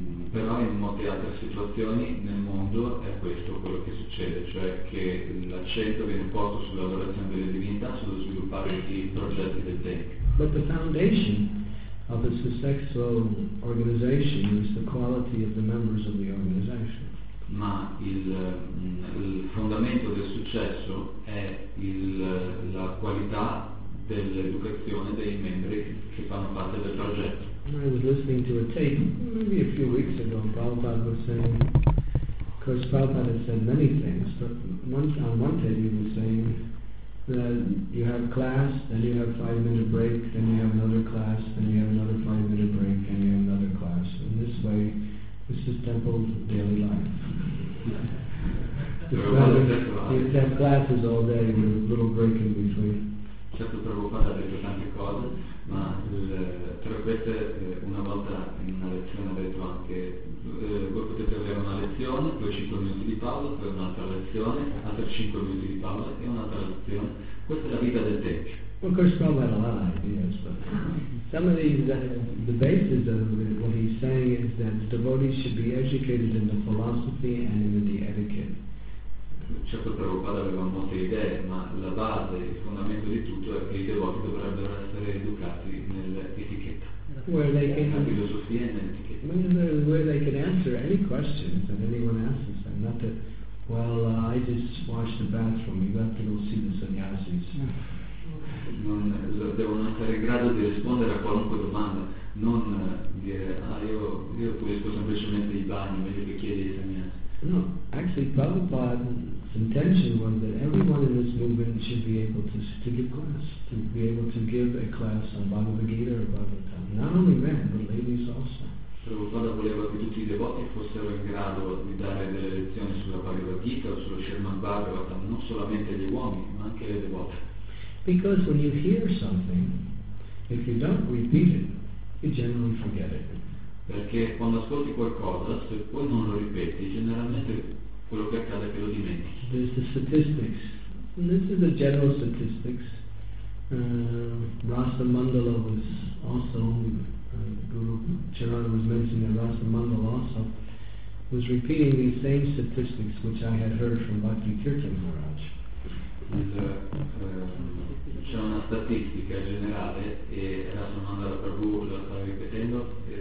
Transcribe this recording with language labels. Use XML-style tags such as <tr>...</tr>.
<it>Però in molte altre situazioni nel mondo è questo quello che succede, cioè che l'accento viene posto sull'adorazione delle divinità, sullo sviluppare i progetti del tempio.</it> <en>But the foundation of a successful organization is the quality of the members of the organization.</en> <it>Ma il fondamento del successo è la qualità dell'educazione dei membri che fanno parte del progetto.</it> <en>I was listening to a tape maybe a few weeks ago. Prabhupada was saying, of course, Prabhupada had said many things, but on one tape he was saying that you have class, then you have 5-minute break, then you have another class, then you have another 5-minute break, and you have another class. And this way, this is temple daily life. You have classes all day with a little break in between.</en> <it>Certo, Prabhupada ha detto tante cose, ma tra queste una volta in una lezione ha detto anche voi potete avere una lezione, poi 5 minuti di pausa, poi un'altra lezione, altri 5 minuti di pausa e un'altra lezione. Questa è la vita del tempio.</it> <en>Well, of course, Prabhupada had a lot of ideas, but some of the basis of what he's saying is that the devotees should be educated in the philosophy and in the etiquette.</en> <it>Certo, Prabhupada aveva molte idee, ma la base, il fondamento di tutto è che i devoti dovrebbero essere educati nell'etichetta, nella filosofia e nell'etichetta.</it> <en>Where they can answer any questions that anyone asks them, not that, well, I just washed the bathroom, you have to go see the sannyasis.</en> <it>Devono essere in grado di rispondere a qualunque domanda, non dire, io pulisco semplicemente i bagni, meglio che chiedi ai sannyasis.</it> <en>No, actually Prabhupada's intention was that everyone in this movement should be able to give class, to be able to give a class on Bhagavad Gita or Bhagavatam. Not only men, but ladies also.</en> <it>Prabhupada voleva che tutti i devoti fossero in grado di dare delle lezioni sulla Bhagavad Gita o sullo Sherman Bhagavatam, non solamente gli uomini, ma anche le devote.</it> <en>Because when you hear something, if you don't repeat it, you generally forget it.</en> <it>Perché quando ascolti qualcosa, se poi non lo ripeti, generalmente quello che accade è che lo dimentichi.</it> <en>There's the statistics. And this is the general statistics. Rasa Mandala was also, Guru Charana was mentioning that Rasa Mandala also was repeating these same statistics which I had heard from Bhakti Kirtan Maharaj.</en> <it>C'è una statistica generale e Rasa Mandala Prabhu la sta ripetendo.</it>